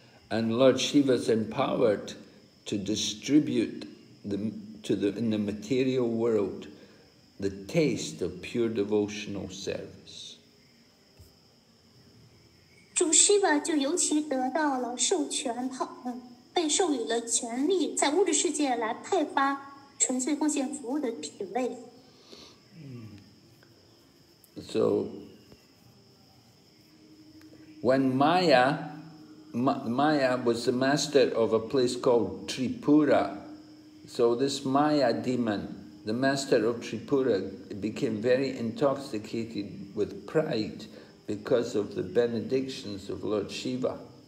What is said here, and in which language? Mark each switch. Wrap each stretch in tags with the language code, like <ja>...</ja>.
<en>And Lord Shiva is empowered to distribute in the material world the taste of pure devotional service.</en> <zh>主Shiva就尤其得到了授权，被授予了权力，在物质世界来派发纯粹奉献服务的品位。</zh> <en>So, when Maya was the master of a place called Tripura, so this Maya demon, the master of Tripura, became very intoxicated with pride because of the benedictions of Lord Shiva.</en>